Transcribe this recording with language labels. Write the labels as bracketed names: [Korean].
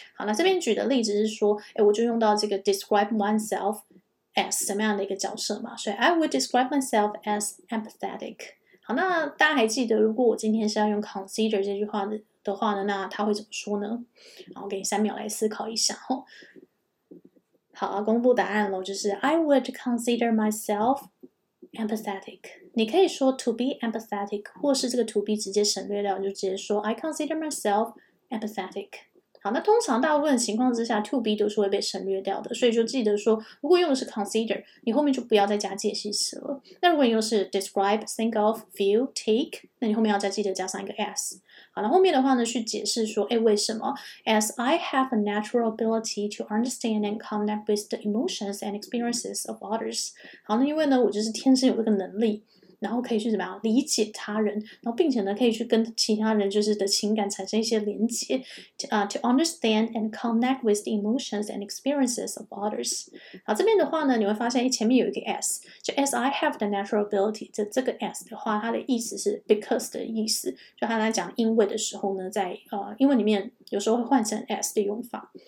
[Chinese] 好，那这边举的例子是说我就用到这个 describe oneself as 什么样的一个角色嘛，所以 [English] I would describe myself as empathetic。 [Chinese] 好，那大家还记得如果我今天是要用 consider 这句话的话呢，那他会怎么说呢？好，我给你三秒来思考一下。好，公布答案了，就是 [English] I would consider myself empathetic。 [Chinese] 你可以说 to be empathetic， 或是这个 to be 直接省略掉，就直接说 [English] I consider myself empathetic。 [Chinese] 好，那通常大部分情况之下 to be 都是会被省略掉的，所以就记得说如果用的是 consider， 你后面就不要再加介系词了。那如果你用的是 describe, think of, feel, take， 那你后面要再记得加上一个 s。好，那后面的话呢去解释说为什么 [English] as I have a natural ability to understand and connect with the emotions and experiences of others。 [Chinese] 好，那因为呢我就是天生有这个能力，然后可以去怎么样理解他人，然后并且呢可以去跟其他人就是的情感产生一些连接 [English] to understand and connect with the emotions and experiences of others。 [Chinese] 好，这边的话呢你会发现前面有一个 s， 就 [English] as I have the natural ability， [Chinese] 就这个 s 的话它的意思是 because 的意思，就他在讲因为的时候呢在英文里面有时候会换成 s 的用法。